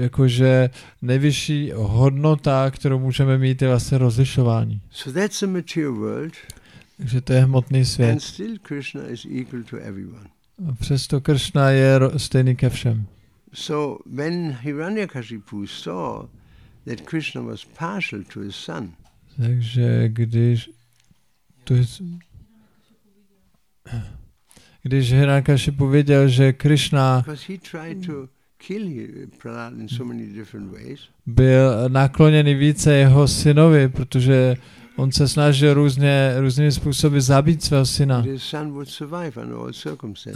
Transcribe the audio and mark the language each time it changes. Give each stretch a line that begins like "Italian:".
Czech: Jakože nejvyšší hodnota, kterou můžeme mít, je vlastně rozlišování.
English: So that's the material world.
Czech: Takže to je hmotný svět.
English: And still Krishna is equal to everyone.
Czech: A přesto Krishna je stejný ke všem.
English: So when Hiranyakashipu saw that Krishna was partial to his son.
Czech: Takže když Hiranyakashipu viděl, že Krishna,
English: because he tried to kill Prahlad in so many different ways,
Czech: byl nakloněný více jeho synovi, protože on se snažil různými způsoby zabít svého syna.
English: His son would survive under all circumstances.